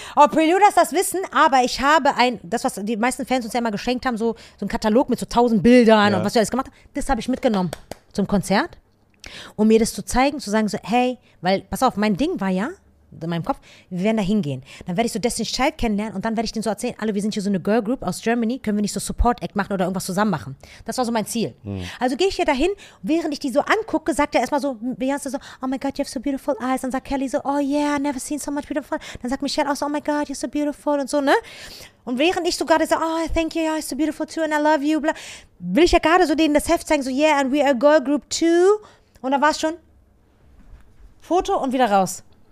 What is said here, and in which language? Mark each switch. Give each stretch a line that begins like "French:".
German: Ob Preluders das wissen, aber ich habe ein, das, was die meisten Fans uns ja immer geschenkt haben, so ein Katalog mit so 1000 Bildern, ja, und was wir alles gemacht haben, das habe ich mitgenommen zum Konzert, um mir das zu zeigen, zu sagen so, hey, weil, pass auf, mein Ding war ja, in meinem Kopf, wir werden da hingehen. Dann werde ich so Destiny's Child kennenlernen und dann werde ich denen so erzählen, alle, wir sind hier so eine Girl Group aus Germany, können wir nicht so Support Act machen oder irgendwas zusammen machen? Das war so mein Ziel. Hm. Also gehe ich hier dahin, während ich die so angucke, sagt er erstmal so, Beyoncé so,
English: oh my God, you have so beautiful eyes.
German: Dann sagt Kelly so,
English: oh yeah, never seen so much beautiful.
German: Dann sagt Michelle auch so,
English: oh my God, you're so beautiful
German: und so, ne? Und während ich so gerade so,
English: oh, thank you, yeah, it's so beautiful too and I love you,
German: bla, will ich ja gerade so denen das Heft zeigen, so,
English: yeah, and we are a girl group too.
German: Und da war es schon, Foto und wieder raus.